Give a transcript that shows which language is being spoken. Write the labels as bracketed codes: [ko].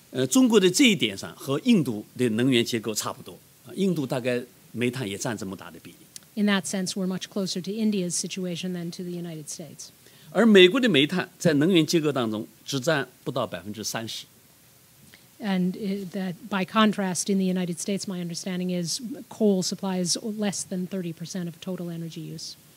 [zh] 中国的这一点上和印度的能源结构差不多，印度大概煤炭也占这么大的比例。 [en] In that sense, we're much closer to India's situation than to the United States. [zh] 而美国的煤炭在能源结构当中只占不到30%。 [en] And that, by contrast, in the United States, my understanding is coal supplies less than 30% of total energy use.